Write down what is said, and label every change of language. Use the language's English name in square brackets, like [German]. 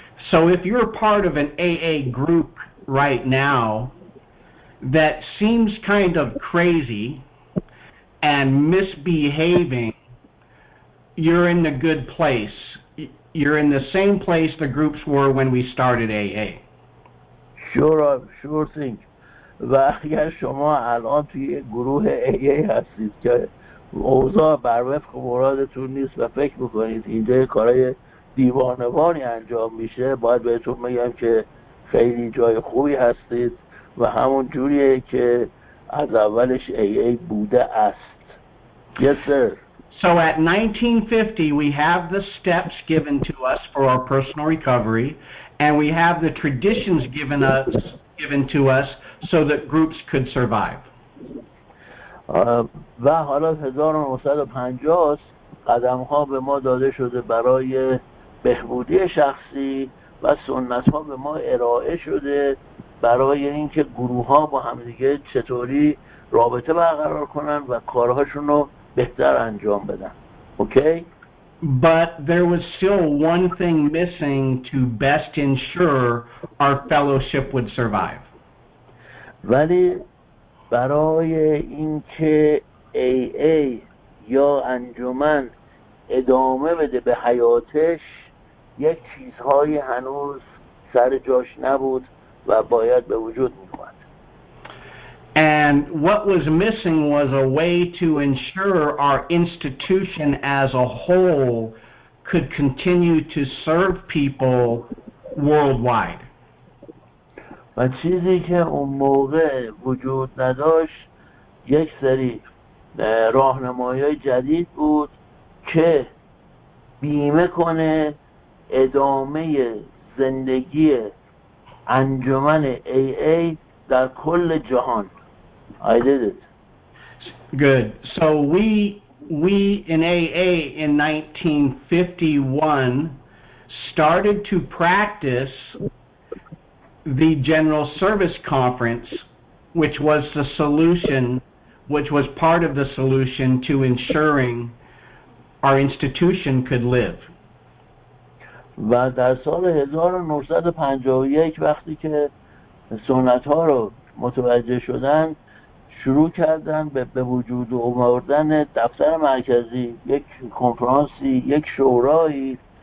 [English] So if you're part of an AA group right now that seems kind of crazy and misbehaving, you're in the good place. You're in the same place the groups were when we started AA. Sure thing. [Persian] و اگر شما الان توی گروه ای هستید که اوضاع بر وفق مرادتون نیست و فکر میکنید اینجا یه کارهای دیوانوانی انجام میشه، باید بهتون میگم که خیلی جای خوبی هستید و همون جوریه که از اولش ای بوده است. [English] Yes, sir. So at 1950, we have the steps given to us for our personal recovery, and we have the traditions given to us so that groups could survive. [Persian] و حالا 1950 قدم‌ها به ما داده شده برای بهبودی شخصی و سنت‌ها به ما ارائه شده برای اینکه گروه‌ها با همدیگه چطوری رابطه برقرار کنن و کارهاشون رو بهتر انجام بدن. [English] Okay? But there was still one thing missing to best ensure our fellowship would survive. [Persian] ولی برای اینکه AA یا انجمن ادامه بده به حیاتش، یک چیزهایی هنوز سر جاش نبود و باید به وجود می‌آمد. [English] And what was missing was a way to ensure our institution as a whole could continue to serve people worldwide. [Persian] و چیزی که اون موقع وجود نداشت یک سری راهنمایی جدید بود که بیمه کنه ادامه زندگی انجمن AA در کل جهان. [English] I did it. Good. So we in AA in 1951 started to practice the General Service Conference, which was the solution, which was part of the solution to ensuring our institution could live. [Persian] و در سال 1951 وقتی که سنت ها رو متوجه شدن، شروع کردن به وجود آوردن دفتر مرکزی، یک کنفرانسی، یک شورایی